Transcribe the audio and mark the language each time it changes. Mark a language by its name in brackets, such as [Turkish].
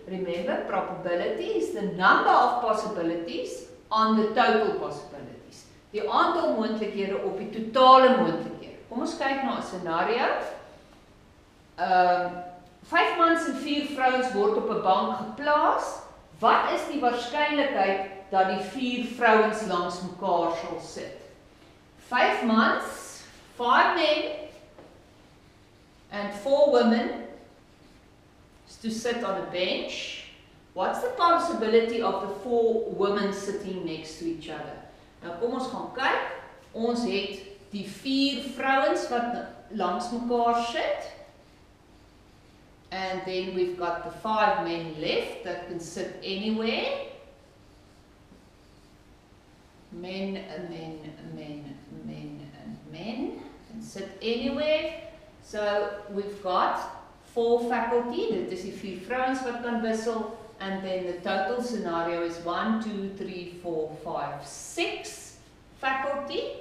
[English] Remember, probability is the number of possibilities on the total possibilities. [Afrikaans] Die aantal moontlikhede op die totale moontlikhede. Kom ons kyk na 'n scenario. 5 mans en 4 vrouens word op 'n bank geplaas. Wat is die waarskynlikheid dat die 4 vrouens langs mekaar sal sit? [English] 5 mans, 5 men and 4 women to sit on a bench. What's the possibility of the 4 women sitting next to each other? [Afrikaans] Nou kom ons gaan kyk. Ons het die 4 vrouens wat langs mekaar sit. [English] And then we've got the 5 men left that can sit anywhere. Men, men, men, men, and men can sit anywhere. So we've got 4 faculty, [Afrikaans] dit is die 4 vrouens wat kan wissel, [English] and then the total scenario is 1, 2, 3, 4, 5, 6 faculty.